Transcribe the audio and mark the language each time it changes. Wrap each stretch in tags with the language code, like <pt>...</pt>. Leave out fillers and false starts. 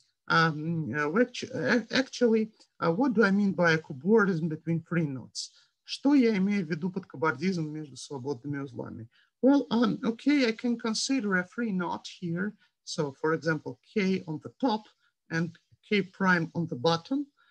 <en>What do I mean by a cobordism between free nodes?</en> <ru>Что я имею в виду под кобордизм между свободными узлами?</ru> <en>Well, okay, I can consider a free knot here. So for example, K on the top and K prime on the bottom.</en>